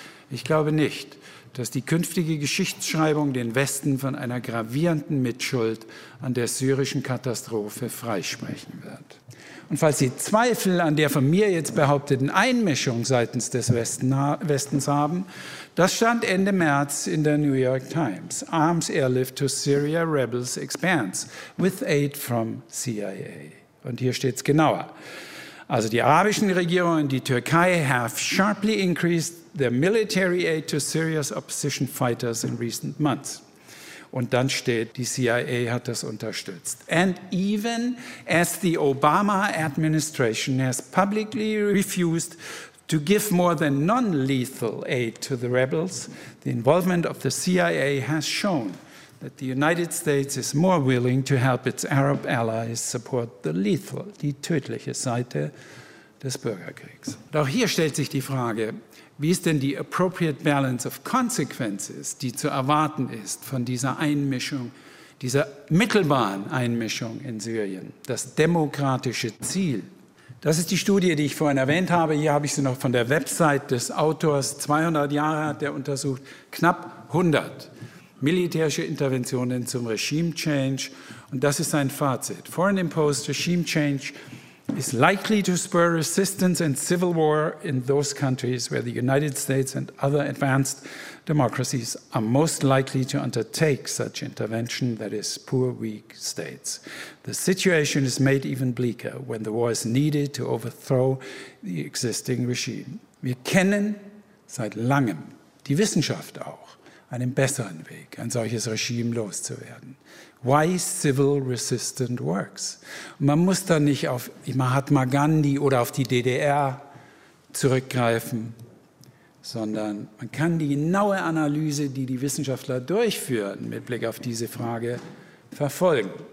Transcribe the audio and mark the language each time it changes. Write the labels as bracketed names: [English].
[German] Ich glaube nicht, dass die künftige Geschichtsschreibung den Westen von einer gravierenden Mitschuld an der syrischen Katastrophe freisprechen wird. Und falls Sie Zweifel an der von mir jetzt behaupteten Einmischung seitens des Westens haben, das stand Ende März in der New York Times. [English] Arms airlift to Syria rebels expands with aid from CIA. [German] Und hier steht's genauer. Also die arabischen Regierungen, die Türkei, [English] have sharply increased their military aid to Syria's opposition fighters in recent months. [German] Und dann steht, die CIA hat das unterstützt. [English] And even as the Obama administration has publicly refused to give more than non-lethal aid to the rebels, the involvement of the CIA has shown that the United States is more willing to help its Arab allies support the lethal, [German] die tödliche Seite des Bürgerkriegs. Doch hier stellt sich die Frage, wie ist denn die [English] appropriate balance of consequences, [German] die zu erwarten ist von dieser Einmischung, dieser mittelbaren Einmischung in Syrien, das demokratische Ziel? Das ist die Studie, die ich vorhin erwähnt habe. Hier habe ich sie noch von der Website des Autors. 200 Jahre hat er untersucht, knapp 100 militärische Interventionen zum Regime Change. Und das ist sein Fazit. [English] Foreign imposed regime change is likely to spur resistance and civil war in those countries where the United States and other advanced democracies are most likely to undertake such intervention, that is, poor, weak states. The situation is made even bleaker when the war is needed to overthrow the existing regime. [German] Wir kennen seit langem, die Wissenschaft auch, einen besseren Weg, ein solches Regime loszuwerden. [English] Why civil resistance works. [German] Man muss da nicht auf Mahatma Gandhi oder auf die DDR zurückgreifen, sondern man kann die genaue Analyse, die die Wissenschaftler durchführen, mit Blick auf diese Frage verfolgen.